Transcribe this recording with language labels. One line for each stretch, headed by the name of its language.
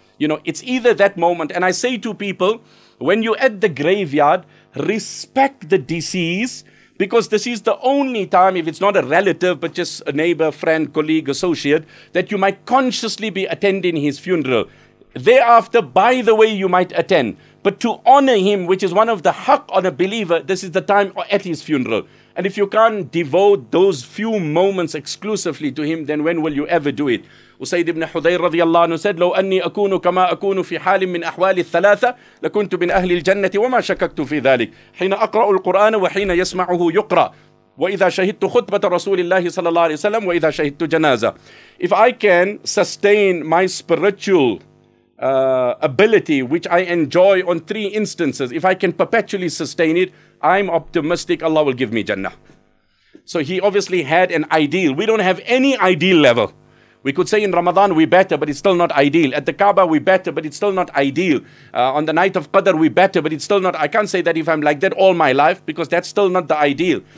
English: You know, it's either that moment. And I say to people, when you're at the graveyard, respect the deceased because this is the only time, if it's not a relative, but just a neighbor, friend, colleague, associate, that you might consciously be attending his funeral. Thereafter, by the way, you might attend. But to honor him, which is one of the haqq on a believer, this is the time at his funeral. And if you can't devote those few moments exclusively to him, then when will you ever do it? Usayd ibn Hudayr radiallahu anhu said,
Arabic: لو أني أكون كما أكون في حال من أحوال الثلاثة لكنت من أهل الجنة وما شككت في ذلك حين أقرأ القرآن وحين يسمعه يقرأ وإذا شهدت خطبة رسول الله صلى الله عليه وسلم وإذا شهدت جنازة
English: If I can sustain my spiritual ability which I enjoy on three instances. If I can perpetually sustain it, I'm optimistic Allah will give me Jannah. So he obviously had an ideal. We don't have any ideal level. We could say in Ramadan we better, but it's still not ideal. At the Kaaba we better, but it's still not ideal. On the night of Qadr we better, but it's still not. I can't say that if I'm like that all my life because that's still not the ideal.